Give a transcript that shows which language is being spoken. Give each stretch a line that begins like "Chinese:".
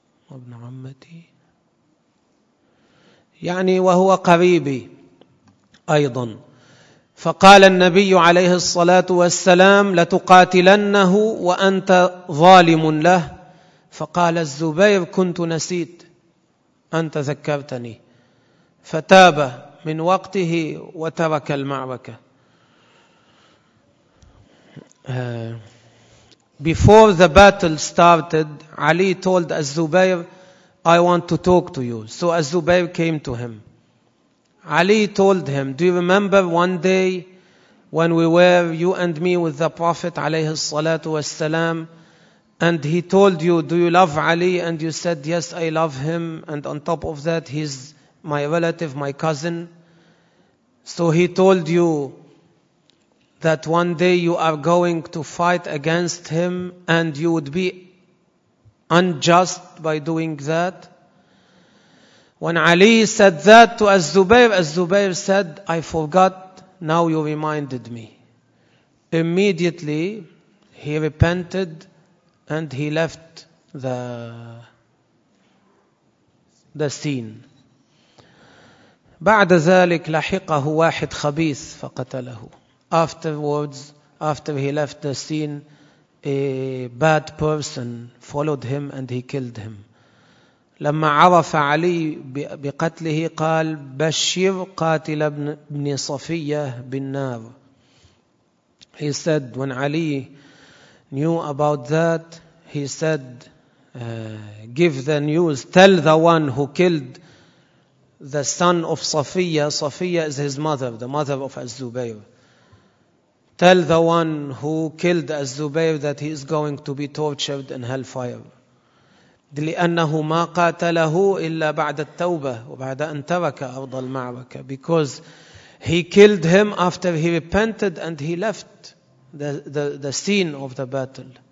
Arabic: وابن عمتي يعني وهو قريبي أيضا فقال النبي عليه الصلاة والسلام لتقاتلنه وأنت ظالم له فقال الزبير كنت نسيت أنت ذكرتني فتاب من وقته وترك المعركة.
English: Before the battle started, Ali told Az-Zubayr, I want to talk to you. So Az-Zubayr came to him. Ali told him, do you remember one day when we were, you and me, with the Prophet
Arabic: عليه الصلاة والسلام,
English: and he told you, do you love Ali? And you said, yes, I love him. And on top of that, he's my relative, my cousin. So he told you that one day you are going to fight against him and you would be unjust by doing that. When Ali said that to Az-Zubayr, Az-Zubayr said, I forgot, now you reminded me. Immediately, he repented and he left the scene.
Arabic: بعد ذلك لحقه واحد خبيث فقتله.
English: Afterwards, after he left the scene, a bad person followed him and he killed him.
Arabic: لما عرف علي بقتله قال بشر قاتل ابن صفية بالنار.
English: He said, when Ali knew about that, he said, give the news, tell the one who killed the son of Safiya. Safiya is his mother, the mother of Az-Zubayr. Tell the one who killed Az-Zubayr that he is going to be tortured in hellfire.
Arabic: لأنه ما قاتله إلا بعد التوبة وبعد أن ترك أرض المعركة.
English: Because he killed him after he repented and he left the scene of the battle.